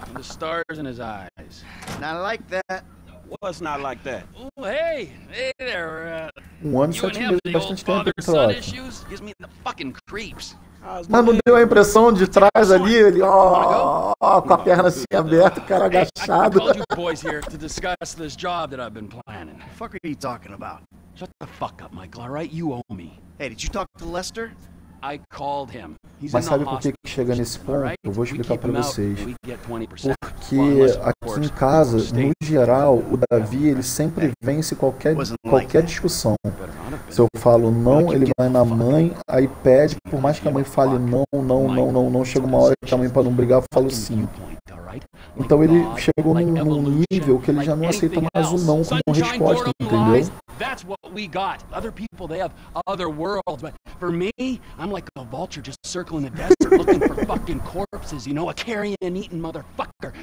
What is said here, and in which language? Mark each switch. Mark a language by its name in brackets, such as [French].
[English] The stars in his eyes. Not like that. What's not like that? Oh, hey there. [Portuguese] Um ano e sete meses, bastante tempo, troca. [English] Gives me the fucking creeps. [Portuguese] Mas não deu a impressão de trás ali, ele, com a perna assim aberta, o cara agachado. [English] Hey, I called you boys here to discuss this job that I've been planning. The fuck are you talking about? Shut the fuck up, Michael, all right? You owe me. Hey, did you talk to Lester? I called him. [Portuguese] Mas sabe por que chega nesse ponto? Eu vou explicar pra vocês. Porque aqui em casa, no geral, o Davi ele sempre vence qualquer discussão. Se eu falo não, ele vai na mãe, aí pede, por mais que a mãe fale não, chega uma hora que a mãe, pra não brigar, eu falo sim. Então ele chegou num nível que ele já não aceita mais o não como resposta, entendeu? [English] That's what we got. Other people, they have other worlds, but for me, I'm like a vulture just circling the desert looking for fucking corpses, you know, a carrion and eating motherfucker.